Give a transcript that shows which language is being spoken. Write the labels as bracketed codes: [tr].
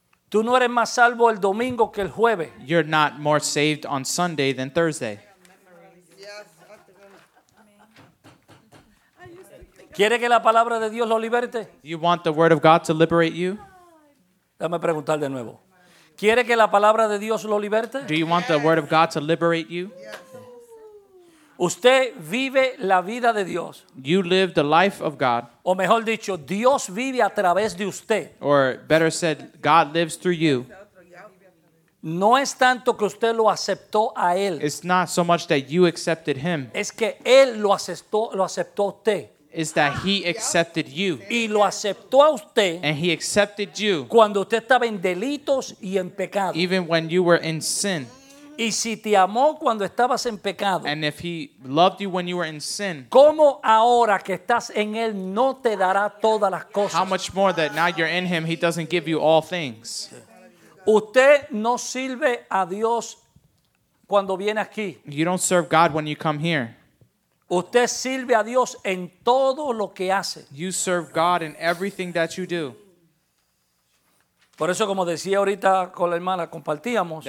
[es] Tú no eres más salvo el domingo que el jueves. [en] You're not more saved on Sunday than Thursday. [es] ¿Quiere que la palabra de Dios lo liberte? [en] You want the word of God to liberate you? [es] Dame preguntar de nuevo. ¿Quiere que la palabra de Dios lo liberte? [en] Do you want the word of God to liberate you? [es] Usted vive la vida de Dios. [en] You live the life of God. [es] O mejor dicho, Dios vive a través de usted. [en] Or better said, God lives through you. [es] No es tanto que usted lo aceptó a él. [en] It's not so much that you accepted him. [es] Es que él lo aceptó a usted. [en] Is that he accepted you. [es] Y lo aceptó a usted. [en] And he accepted you. [es] Cuando usted estaba en delitos y en pecado. [en] Even when you were in sin. [es] Y si te amó cuando estabas en pecado. [en] And if he loved you when you were in sin. [es] ¿Cómo ahora que estás en él no te dará todas las cosas? [en] How much more that now you're in him he doesn't give you all things. [es] Usted no sirve a Dios cuando viene aquí. [en] You don't serve God when you come here. [es] Usted sirve a Dios en todo lo que hace. [en] You serve God in everything that you do. [es] Por eso, como decía ahorita con la hermana, compartíamos.